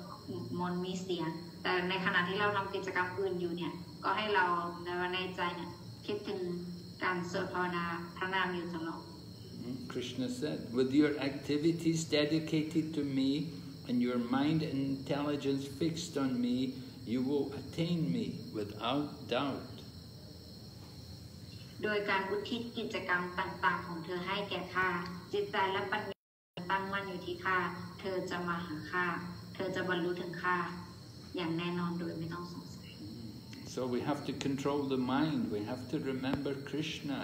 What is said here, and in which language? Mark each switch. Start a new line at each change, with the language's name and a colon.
Thai: มนต์มีเสียงแต่ในขณะที่เราทำกิจกรรมอื่นอยู่เนี่ยก็ให้เราในใจเนี่ยคิดถึงการสวดภาวนาพระนามอยู่ตลอด
English: Krishna said with your activities dedicated to meAnd your mind and intelligence fixed on me, you will attain me without doubt.
Thai: โดยการอุทิศกิจกรรมต่างๆของเธอให้แก่ข้าจิตใจและปัญญาตั้งมั่นอยู่ที่ข้าเธอจะมาหาข้าเธอจะบรรลุถึงข้าอย่างแน่นอนโดยไม่ต้องสงสัย
English: So we have to control the mind. We have to remember Krishna.